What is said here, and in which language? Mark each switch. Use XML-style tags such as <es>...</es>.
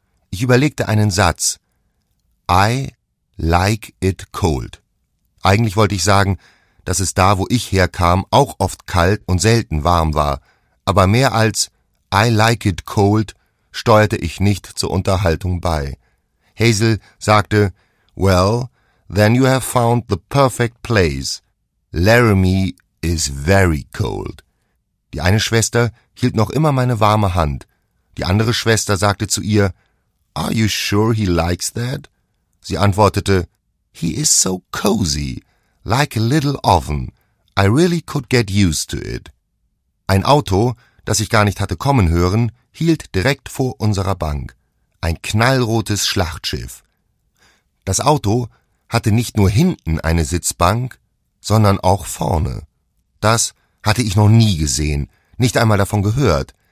<de>Ich überlegte einen Satz.</de> <en>"I like it cold."</en> <de>Eigentlich wollte ich sagen, dass es da, wo ich herkam, auch oft kalt und selten warm war. Aber mehr als</de> <en>"I like it cold"</en> <de>steuerte ich nicht zur Unterhaltung bei.</de> <en>Hazel</en> <de>sagte,</de> <en>"Well, then you have found the perfect place. Laramie is very cold."</en> <de>Die eine Schwester hielt noch immer meine warme Hand. Die andere Schwester sagte zu ihr,</de> <en>"Are you sure he likes that?"</en> <de>Sie antwortete,</de> <en>"He is so cozy, like a little oven. I really could get used to it."</en> <de>Ein Auto, das ich gar nicht hatte kommen hören, hielt direkt vor unserer Bank. Ein knallrotes Schlachtschiff. Das Auto hatte nicht nur hinten eine Sitzbank, sondern auch vorne. Das hatte ich noch nie gesehen, nicht einmal davon gehört.</de>